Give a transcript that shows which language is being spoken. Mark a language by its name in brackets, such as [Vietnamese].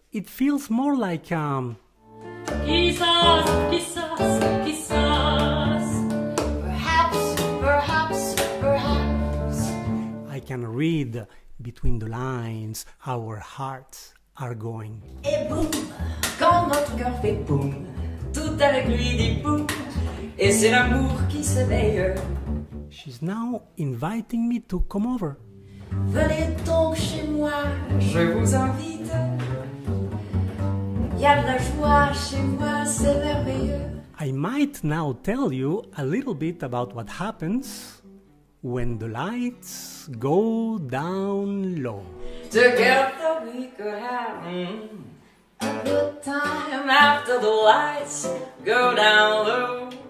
[English] It feels more like [Spanish] quizás, quizás, quizás. [English] Perhaps, perhaps, perhaps. I can read between the lines, our hearts are going. [French] Et boum, quand votre cœur fait boum, tout à la gris dit boum, et c'est l'amour qui s'éveille. [English] She's now inviting me to come over. [French] Venez donc chez moi, je vous invite. Y'a de la joie chez moi, c'est merveilleux. [English] I might now tell you a little bit about what happens when the lights go down low. Together we could have a good time after the lights go down low.